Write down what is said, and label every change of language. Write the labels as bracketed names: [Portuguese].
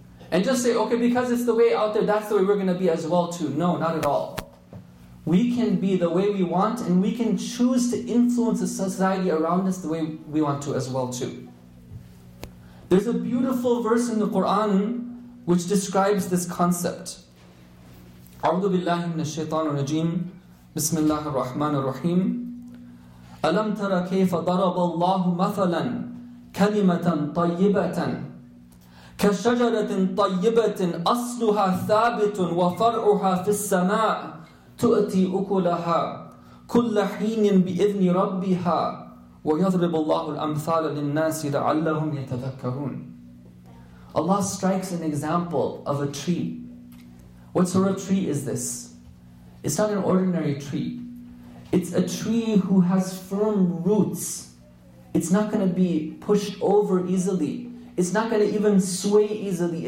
[English] And just say, okay, because it's the way out there, that's the way we're going to be as well too. No, not at all. We can be the way we want, and we can choose to influence the society around us the way we want to as well too. There's a beautiful verse in the Qur'an which describes this concept. [Arabic] أعوذ بالله من الشيطان الرجيم بسم الله الرحمن الرحيم ألم تر كيف ضرب الله مثلا كلمة طيبة كشجرة طيبة أصلها ثابت وفرعها في السماء تؤتي أكلها كل حين بإذن ربها ويضرب الله الأمثال للناس لعلهم يتذكرون. [English] Allah strikes an example of a tree. What sort of tree is this? It's not an ordinary tree. It's a tree who has firm roots. It's not going to be pushed over easily. It's not going to even sway easily.